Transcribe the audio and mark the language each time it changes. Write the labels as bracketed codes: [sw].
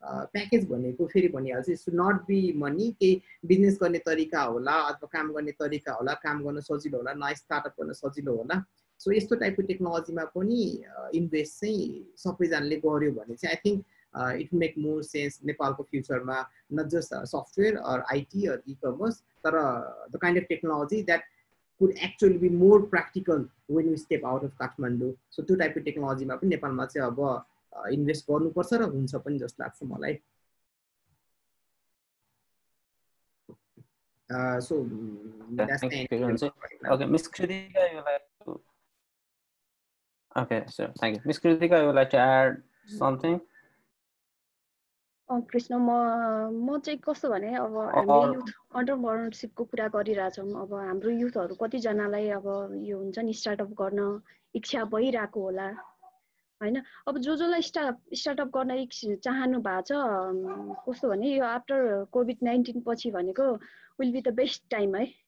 [ne] Package भनेको फेरि भनिहाल्छ [en] it should not be money [ne] केही बिजनेस गर्ने तरिका होला अथवा काम गर्ने तरिका होला काम गर्न सजिलो होला नयाँ स्टार्टअप गर्न सजिलो होला सो यस्तो टाइपको टेक्नोलोजीमा पनि इन्भेस्ट चाहिँ सबैजनाले गर्यो भने चाहिँ [en] I think it will make more sense in Nepal's future, not just software or IT or e-commerce, but the kind of technology that could actually be more practical when we step out of Kathmandu. So two types of technology in Nepal, we have to invest in Nepal, and we have to just start from our life. So that's the end. Okay, Ms. Kritika, you would like to... Okay, sir, thank you. Ms. Kritika, you would like to add something? [ne] Krishna म चाहिँ कस्तो भने अब हामी youth अन्टरप्रेनरसिपको कुरा गरिरहेछौँ अब हाम्रो युथहरू कतिजनालाई अब यो हुन्छ नि स्टार्टअप गर्न इच्छा भइरहेको होला होइन अब जो जसलाई स्टार्टअप गर्न चाहनु भएको छ कस्तो भने यो आफ्टर कोभिड 19 पछि भनेको [en] will be the best time [ne] है